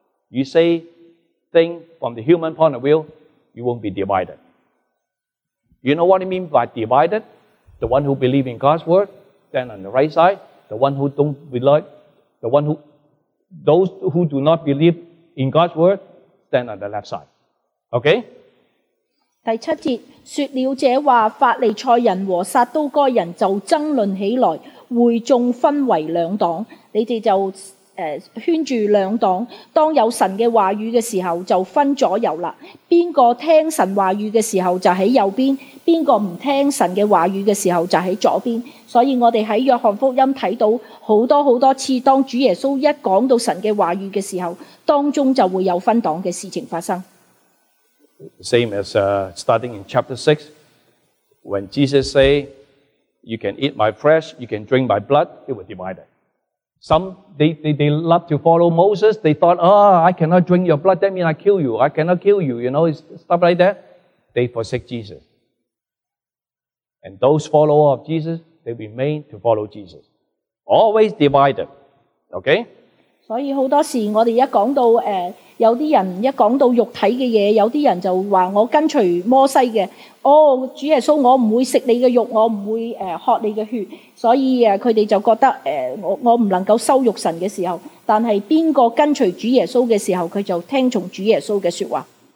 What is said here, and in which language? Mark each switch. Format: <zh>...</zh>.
<en>You say thing from the human point of view, you won't be divided. You know what I mean by divided? The one who believes in God's word, stand on the right side. The one who don't believe, those who do not believe in God's word, stand on the left side. Okay?</en> <zh>第七节说了这话，法利赛人和撒都该人就争论起来，会众分为两党。你们就圈住两党，当有神的话语的时候就分左右了。哪个听神话语的时候就在右边，哪个不听神的话语的时候就在左边。所以我们在约翰福音看到很多很多次，当主耶稣一讲到神的话语的时候，当中就会有分党的事情发生。</zh> <en>Same as starting in chapter 6, when Jesus say, you can eat my flesh, you can drink my blood, it was divided. Some, they love to follow Moses, they thought, oh, I cannot drink your blood, that means I kill you, I cannot kill you, you know, stuff like that. They forsake Jesus. And those followers of Jesus, they remain to follow Jesus. Always divided, okay?</en> <zh>所以很多时我们一讲到有些人一讲到肉体的东西，有些人就说我跟随摩西的，哦，主耶稣，我不会吃你的肉，我不会喝你的血，所以他们就觉得我不能够羞辱神的时候，但是哪个跟随主耶稣的时候，他就听从主耶稣的说话。</zh>